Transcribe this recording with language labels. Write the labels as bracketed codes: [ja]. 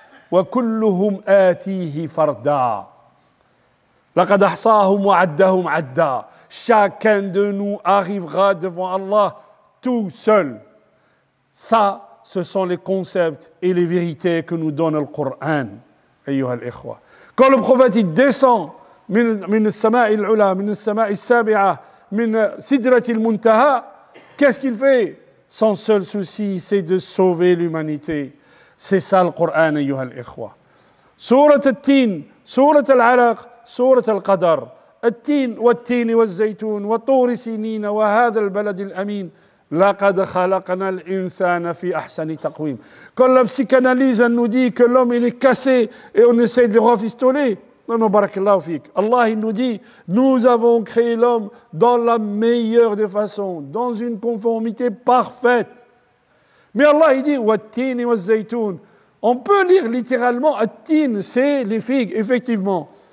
[ar] Wa kulluhum atihi farda. لَقَدْ أَحْصَاهُمْ وَعَدَّهُمْ عَدَّا. [fr] Chacun de nous arrivera devant Allah tout seul. Ça, ce sont les concepts et les vérités que nous donne le Coran. [ar] أيها الإخوة. [fr] Quand le prophète il descend [ar] من السماء العلى من السماء السابعة من سدرة المنتهى, [fr] qu'est-ce qu'il fait? Son seul souci, c'est de sauver l'humanité. C'est ça le Coran, [ar] أيها الإخوة. سورة التين, سورة العلق, سورة القدر, التين والتين والزيتون وطور سينين وهذا البلد الأمين لقد خلقنا الإنسان في أحسن تقويم. [fr] Quand la psychanalyse nous dit que l'homme il est cassé et on essaie de le rafistoler, non, non, [ar] barakallahu fik. [fr] Allah il nous dit, nous avons créé l'homme dans la meilleure des façons, dans une conformité parfaite. Mais Allah il dit, [ar] والتين والزيتون. [fr] On peut lire littéralement, التين c'est les figues, effectivement.